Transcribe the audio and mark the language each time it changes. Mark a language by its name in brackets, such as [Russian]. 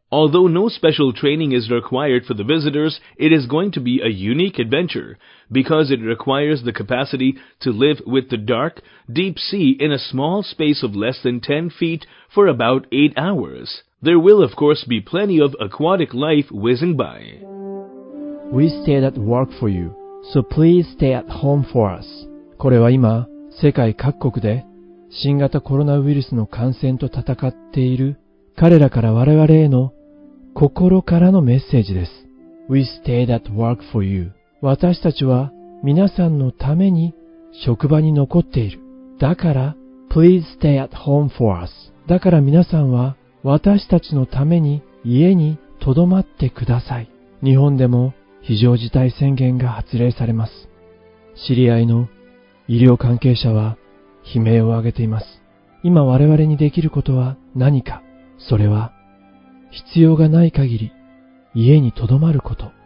[English] Although no special training is required for the visitors, it is going to be a unique adventure because it requires the capacity to live with the dark, deep sea in a small space of less than 10 feet for about 8 hours. There will, of course, be plenty of aquatic life whizzing by. We stayed at work for you, so please stay at home for us. [Japanese] これは今、世界各国で新型コロナウイルスの感染と戦っている彼らから我々への心からのメッセージです。 [English] We stayed at work for you. [Japanese] 私たちは皆さんのために職場に残っている。だから、 [English] Please stay at home for us. [Japanese] だから皆さんは私たちのために家に留まってください。日本でも非常事態宣言が発令されます。知り合いの医療関係者は悲鳴を上げています。今我々にできることは何か。それは、必要がない限り、家に留まること。